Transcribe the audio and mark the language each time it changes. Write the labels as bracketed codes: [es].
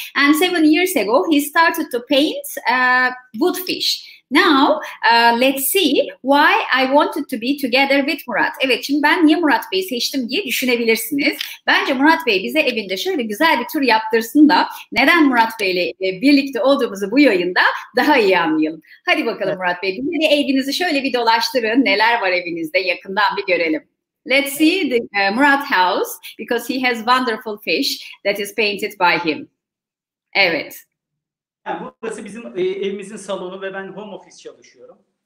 [en] And 7 years ago he started to paint wood fish. Now let's see why I wanted to be together with Murat. [tr] Evet, şimdi ben niye Murat Bey'i seçtim diye düşünebilirsiniz. Bence Murat Bey bize evinde şöyle güzel bir tur yaptırsın da neden Murat Bey'le birlikte olduğumuzu bu yayında daha iyi anlayalım. Hadi bakalım Murat Bey, bize de evinizi şöyle bir dolaştırın. Neler var evinizde, yakından bir görelim. [en] Let's see the Murat house because he has wonderful fish that is painted by him. [tr] Evet. Yani burası bizim evimizin salonu ve ben home office çalışıyorum.